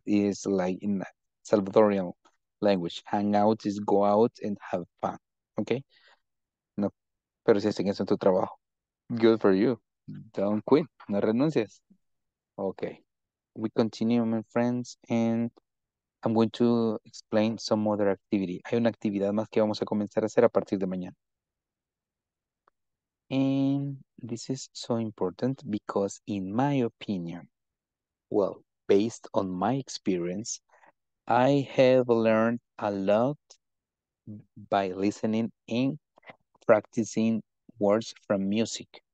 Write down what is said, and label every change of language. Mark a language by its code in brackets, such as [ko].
[en] It's like in Salvadorian language, hang out is go out and have fun, ok. [es] No, pero si hacen eso en tu trabajo, [en] good for you, don't quit, [es] no renuncies, ok. [en] We continue, my friends, and I'm going to explain some other activity. [es] Hay una actividad más que vamos a comenzar a hacer a partir de mañana. [en] And this is so important because, in my opinion, well, based on my experience, I have learned a lot by listening and practicing words from music.